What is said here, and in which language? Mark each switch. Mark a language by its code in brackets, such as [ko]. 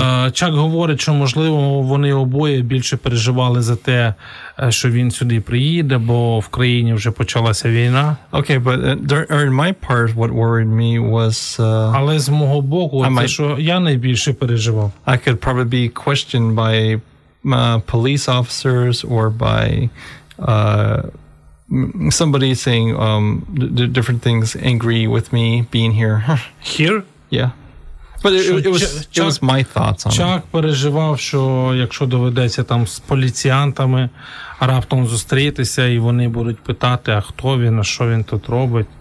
[uk] Чак говорить, що можливо, вони обоє більше переживали за те, що він сюди приїде, бо в країні вже почалася війна. [en] Okay, but during my part what worried me was [uk] Але з мого боку, що я найбільше переживав. [en] I could probably be questioned by police officers or by somebody saying different things, angry with me being here. Here? Yeah. But it was my thoughts on [uk] Чак it. Чак переживав, що якщо доведеться там з поліціянтами раптом зустрітися, і вони будуть питати, а хто він, а що він тут робить.